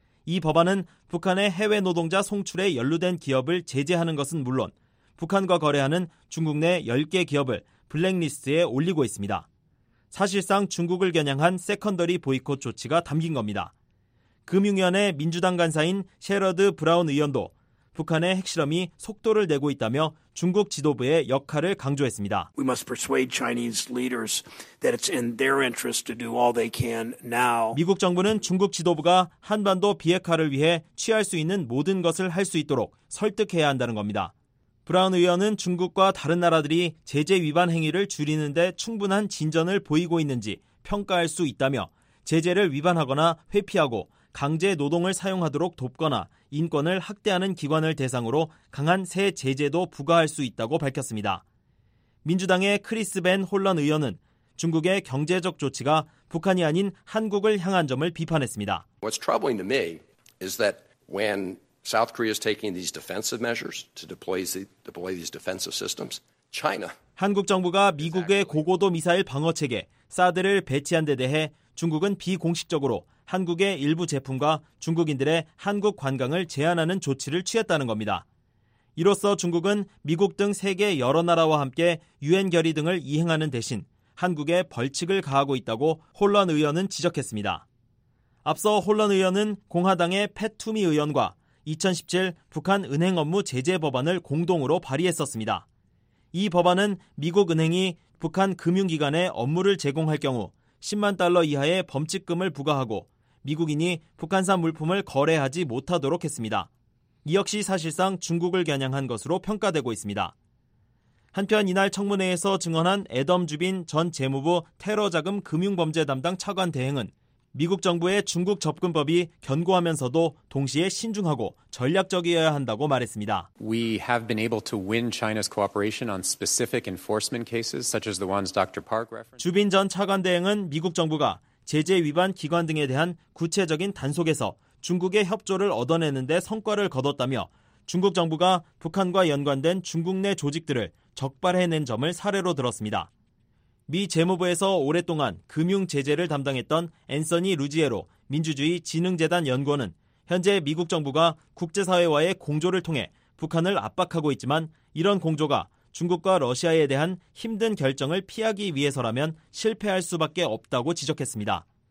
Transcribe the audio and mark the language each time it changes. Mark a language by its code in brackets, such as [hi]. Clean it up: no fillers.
[ko] 이 법안은 북한의 해외 노동자 송출에 연루된 기업을 제재하는 것은 물론 북한과 거래하는 중국 내 10개 기업을 블랙리스트에 올리고 있습니다. 사실상 중국을 겨냥한 세컨더리 보이콧 조치가 담긴 겁니다. 금융위원회 민주당 간사인 셰러드 브라운 의원도 북한의 핵실험이 속도를 내고 있다며 중국 지도부의 역할을 강조했습니다. [en] We must persuade Chinese leaders that it's in their interest to do all they can now. [ko] 미국 정부는 중국 지도부가 한반도 비핵화를 위해 취할 수 있는 모든 것을 할 수 있도록 설득해야 한다는 겁니다. 브라운 의원은 중국과 다른 나라들이 제재 위반 행위를 줄이는 데 충분한 진전을 보이고 있는지 평가할 수 있다며 제재를 위반하거나 회피하고 강제 노동을 사용하도록 돕거나 인권을 학대하는 기관을 대상으로 강한 새 제재도 부과할 수 있다고 밝혔습니다. 민주당의 크리스 벤 홀런 의원은 중국의 경제적 조치가 북한이 아닌 한국을 향한 점을 비판했습니다. [en] What's troubling to me is that when South Korea is taking these defensive measures to deploy these defensive systems. China. [ko] 한국 정부가 미국의 고고도 미사일 방어 체계 사드를 배치한 데 대해 중국은 비공식적으로 한국의 일부 제품과 중국인들의 한국 관광을 제한하는 조치를 취했다는 겁니다. 이로써 중국은 미국 등 세계 여러 나라와 함께 유엔 결의 등을 이행하는 대신 한국에 벌칙을 가하고 있다고 홀런 의원은 지적했습니다. 앞서 홀런 의원은 공화당의 팻 투미 의원과 2017 북한 은행 업무 제재 법안을 공동으로 발의했었습니다. 이 법안은 미국 은행이 북한 금융기관에 업무를 제공할 경우 10만 달러 이하의 범칙금을 부과하고 미국인이 북한산 물품을 거래하지 못하도록 했습니다. 이 역시 사실상 중국을 겨냥한 것으로 평가되고 있습니다. 한편 이날 청문회에서 증언한 애덤 주빈 전 재무부 테러자금 금융범죄 담당 차관 대행은 미국 정부의 중국 접근법이 견고하면서도 동시에 신중하고 전략적이어야 한다고 말했습니다. [en] We have been able to win China's cooperation on specific enforcement cases such as the ones Dr. Park referenced. [ko] 주빈 전 차관 대행은 미국 정부가 제재 위반 기관 등에 대한 구체적인 단속에서 중국의 협조를 얻어내는 데 성과를 거뒀다며 중국 정부가 북한과 연관된 중국 내 조직들을 적발해낸 점을 사례로 들었습니다. 미 재무부에서 오랫동안 금융 제재를 담당했던 앤서니 루지에로 민주주의 지능재단 연구원은 현재 미국 정부가 국제사회와의 공조를 통해 북한을 압박하고 있지만 이런 공조가 중국과 러시아에 대한 힘든 결정을 피하기 위해서라면 실패할 수밖에 없다고 지적했습니다.